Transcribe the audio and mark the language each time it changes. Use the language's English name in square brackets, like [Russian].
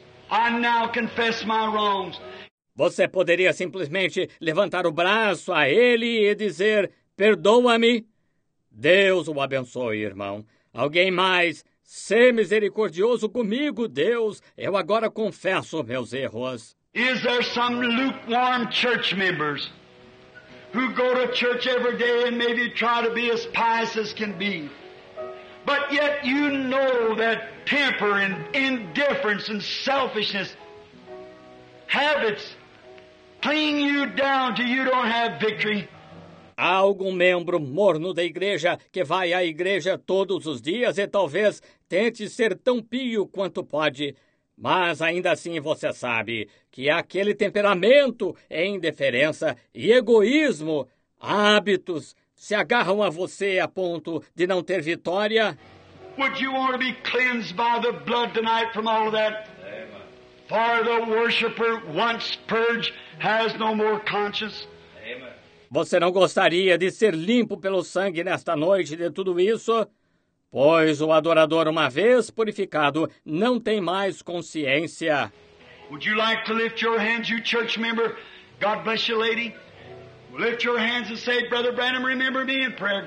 [English] I now confess my wrongs. [Portuguese] Você poderia simplesmente levantar o braço a ele e dizer, perdoa-me. Deus o abençoe, irmão. Alguém mais, sê misericordioso comigo, Deus. Eu agora confesso meus erros. [English] Is there some lukewarm church members who go to church every day and maybe try to be as pious as can be, but yet you know that temper and indifference and selfishness, habits, pulling you down till you don't have victory? [Portuguese] Há algum membro morno da igreja que vai à igreja todos os dias e talvez tente ser tão pio quanto pode, mas ainda assim você sabe que aquele temperamento é indiferença e egoísmo, hábitos, se agarram a você a ponto de não ter vitória? [English] Would you want to be cleansed by the blood tonight from all of that? Amen. For the worshipper, once purged, has no more conscience. [Portuguese] Você não gostaria de ser limpo pelo sangue nesta noite de tudo isso? Pois o adorador, uma vez purificado, não tem mais consciência. [English] Would you like to lift your hands, you church member? God bless you, lady. Lift your hands and say, Brother Branham, remember me in prayer.